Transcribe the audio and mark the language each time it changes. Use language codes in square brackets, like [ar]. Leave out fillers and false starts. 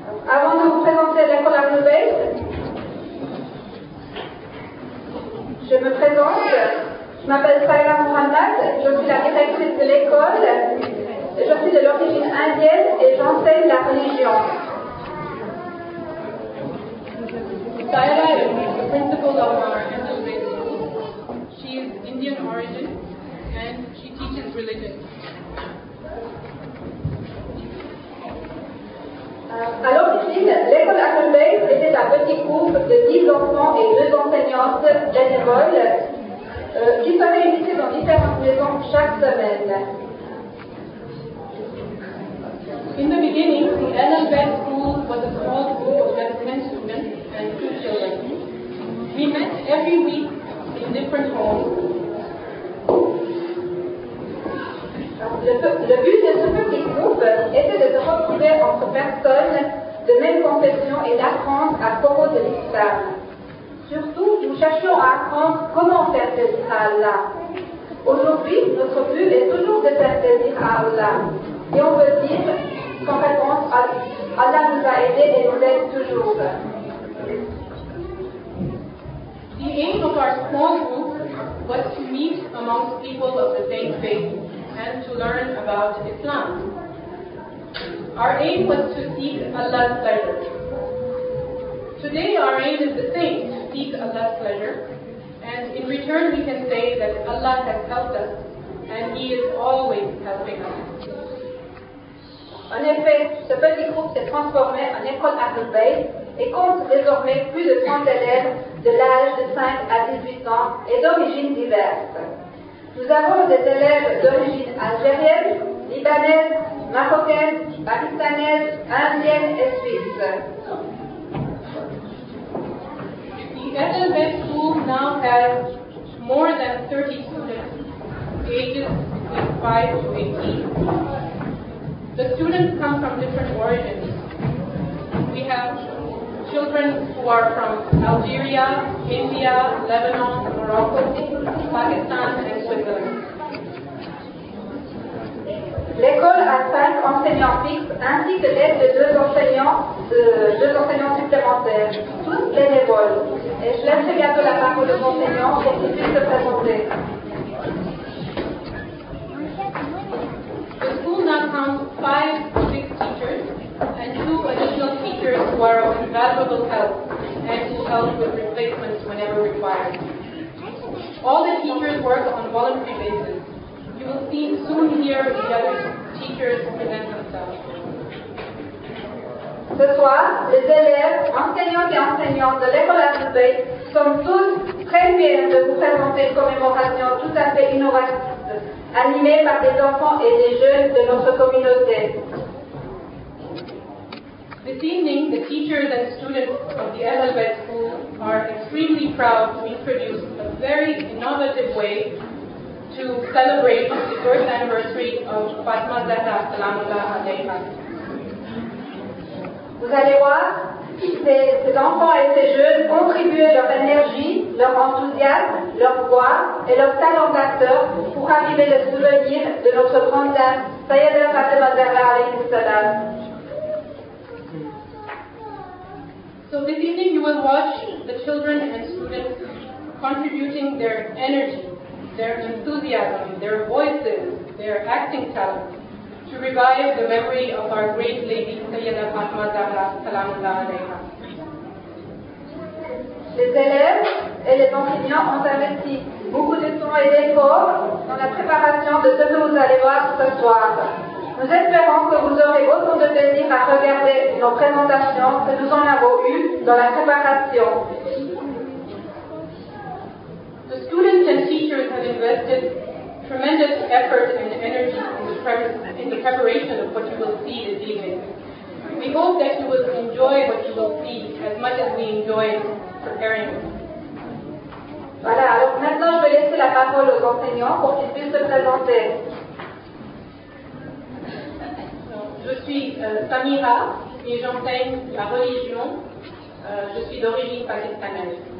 [fr] Avant de vous présenter l'école Amoulbey, je me présente. Je m'appelle Sayyida Mohammad, je suis la directrice de l'école. Je suis de l'origine indienne et j'enseigne la religion. [en] Sayyida is the principal of our Amoulbey school. She is Indian origin and she teaches religion. [fr] À l'origine, l'école Amoulbey était un petit groupe de 10 enfants et 2 enseignantes bénévoles qui seraient invités dans différentes maisons chaque semaine. [en] In the beginning, the Amoulbey school was a small group of just 10 students and 2 children. We met every week in different homes. [fr] Le but de ce petit groupe était de se retrouver entre personnes de même confession et d'apprendre à propos de l'islam. Surtout, nous cherchions à apprendre comment faire plaisir à Allah. Aujourd'hui, notre but est toujours de faire plaisir à Allah. Et on peut dire qu'en réponse, Allah nous a aidés et nous aide toujours. [en] The aim of our small group was to meet amongst people of the same faith and to learn about Islam. Our aim was to seek Allah's pleasure. Today our aim is the same, to seek Allah's pleasure. And in return we can say that Allah has helped us and He is always helping us. [fr] En effet, ce petit groupe s'est transformé en école Amoulbey et compte désormais plus de 30 élèves de l'âge de 5 à 18 ans et d'origines diverses. Nous avons des élèves d'origine algérienne, libanaise, marocaine, pakistanaise, indienne et suisse. [en] The Amoulbey school now has more than 30 students, ages between 5 to 18. The students come from different origins. We have children who are from Algeria, India, Lebanon, Morocco, Pakistan, and Switzerland. [fr] L'école a 5 enseignants fixes ainsi que l'aide de 2 enseignants supplémentaires, tous bénévoles. Et je laisse bientôt la parole aux enseignants pour qu'ils puissent se présenter. [en] The school now counts 5 to 6 teachers and 2 additional teachers who are of invaluable help and who help with replacements whenever required. All the teachers work on a voluntary basis. You will see soon here the other teachers present themselves. [fr] Ce soir, les élèves, enseignants et enseignantes de l'école Amoulbey sont tous très fiers de vous présenter une commémoration tout à fait innovative, animée par des enfants et des jeunes de notre communauté. [en] This evening, the teachers and students of the Amoulbey School are extremely proud to introduce a very innovative way to celebrate the birth anniversary of Fatima Zahra Salamullah alayha. [fr] Vous allez voir, ces enfants et ces jeunes contribuent leur énergie, leur enthousiasme, leur voix et leur talent d'acteur pour arriver le souvenir de notre grande dame, Sayyida Fatima Zahra alayhi salam. [en] So this evening you will watch the children and students contributing their energy, their enthusiasm, their voices, their acting talent to revive the memory of our great lady Sayyida Fatima Zahra Salamullah alayha. [fr] Les élèves et les enseignants ont investi beaucoup de sons et d'échos dans la préparation de ce que vous allez voir ce soir. Nous espérons que vous aurez autant de plaisir à regarder nos présentations que nous en avons eu dans la préparation. [en] The students and teachers have invested tremendous effort and energy in the preparation of what you will see this evening. We hope that you will enjoy what you will see as much as we enjoy preparing. [fr] Voilà, alors maintenant je vais laisser la parole aux enseignants pour qu'ils puissent se présenter. Je suis Samira et j'enseigne la religion. Je suis d'origine pakistanaise.